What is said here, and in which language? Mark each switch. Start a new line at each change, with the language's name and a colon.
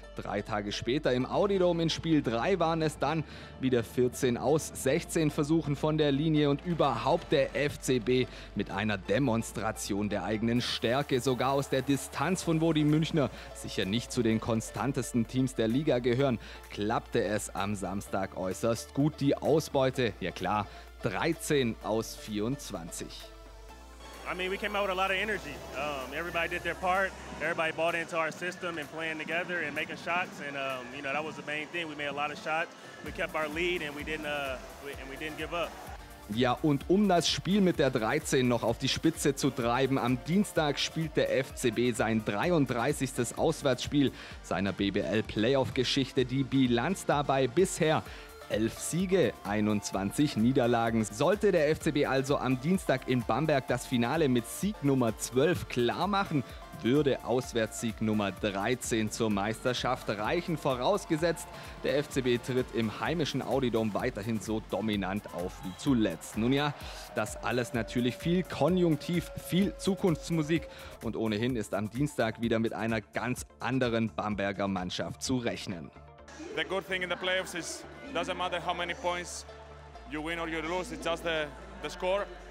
German: Drei Tage später im Audidom in Spiel 3 waren es dann wieder 14 aus 16 Versuchen von der Linie und überhaupt der FCB mit einer Demonstration der eigenen Stärke. Sogar aus der Distanz, von wo die Münchner sicher nicht zu den konstantesten Teams der Liga gehören, klappte es am Samstag äußerst gut. Die Ausbeute, ja klar, 13 aus 24.
English: I mean, we came out with a lot of energy. Everybody did their part. Everybody bought into our system and playing together and making shots. And you know, that was the main thing. We made a lot of shots. We kept our lead and we didn't give up.
German: Ja, und um das Spiel mit der 13 noch auf die Spitze zu treiben, am Dienstag spielt der FCB sein 33. Auswärtsspiel seiner BBL-Playoff-Geschichte. Die Bilanz dabei bisher 11 Siege, 21 Niederlagen. Sollte der FCB also am Dienstag in Bamberg das Finale mit Sieg Nummer 12 klar machen, würde Auswärtssieg Nummer 13 zur Meisterschaft reichen, vorausgesetzt, der FCB tritt im heimischen Audidom weiterhin so dominant auf wie zuletzt. Nun ja, das alles natürlich viel Konjunktiv, viel Zukunftsmusik und ohnehin ist am Dienstag wieder mit einer ganz anderen Bamberger Mannschaft zu rechnen.
English: The good thing in the playoffs is doesn't matter how many points you win or you lose, it's just the score.